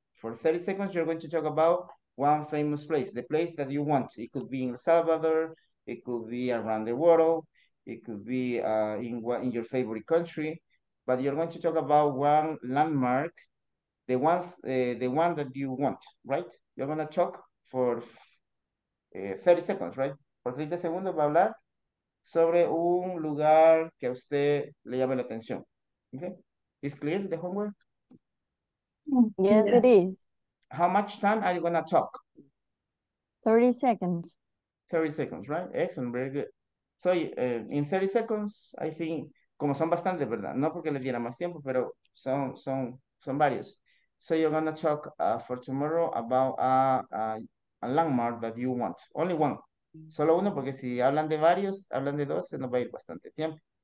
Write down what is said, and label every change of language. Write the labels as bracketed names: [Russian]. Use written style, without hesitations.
[English] For 30 seconds, you're going to talk about one famous place, the place that you want. It could be in El Salvador, it could be around the world, it could be in your favorite country, but you're going to talk about one landmark, the one that you want, right? You're going to talk for 30 seconds, right? [Spanish] Por 30 segundos va a hablar sobre un lugar que a usted le llame la atención. [English] Okay? Is clear the homework? Yes, it is. How much time are you going to talk? 30 seconds. 30 seconds, right? Excellent, very good. So, in 30 seconds, I think, [Spanish] como son bastantes, ¿verdad? No porque les diera más tiempo, pero son varios. [English] So, you're going to talk for tomorrow about a landmark that you want. Only one. [Spanish] Solo uno, porque si hablan de varios, hablan de dos, se nos va a ir bastante tiempo.